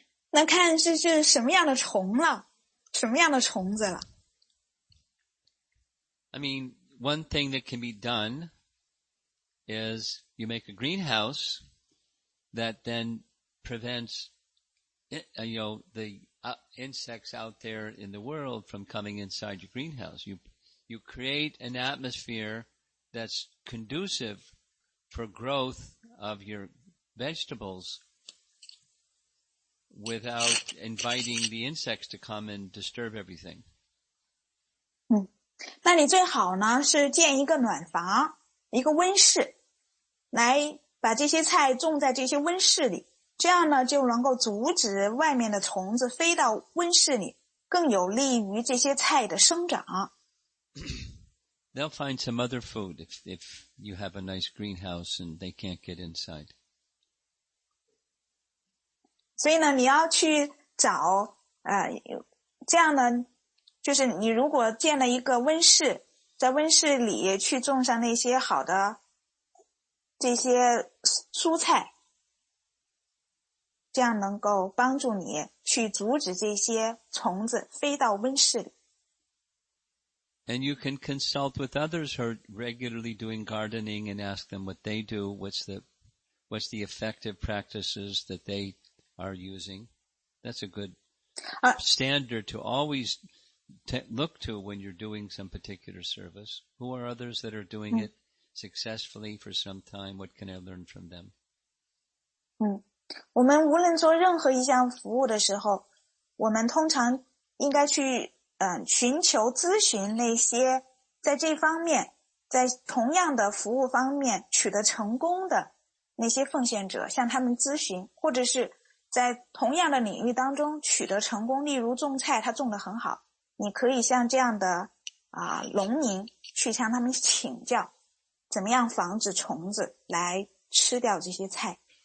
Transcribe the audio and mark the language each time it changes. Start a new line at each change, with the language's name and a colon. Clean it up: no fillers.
Chinese: 那看这是什么样的虫了，什么样的虫子了。
English: I mean, one thing that can be done is you make a greenhouse that then prevents, the insects out there in the world from coming inside your greenhouse. You create an atmosphere that's conducive for growth of your vegetables without inviting the insects to come and disturb everything.
Chinese: 那你最好呢是建一个暖房，一个温室，来把这些菜种在这些温室里，这样呢就能够阻止外面的虫子飞到温室里，更有利于这些菜的生长。
English: They'll find some other food if you have a nice greenhouse and they can't get inside.
Chinese: 所以呢，你要去找这样呢，就是你如果建了一个温室，在温室里去种上那些好的这些蔬菜，这样能够帮助你去阻止这些虫子飞到温室里。
English: And you can consult with others who are regularly doing gardening and ask them what they do, what's the effective practices that they are using. That's a good standard to always look to when you're doing some particular service. Who are others that are doing it successfully for some time? What can I learn from them?
Chinese: 我们无论做任何一项服务的时候，我们通常应该去寻求咨询那些在这方面在同样的服务方面取得成功的那些奉献者，向他们咨询，或者是在同样的领域当中取得成功，例如种菜他种得很好，你可以像这样的农民去向他们请教怎么样防止虫子来吃掉这些菜。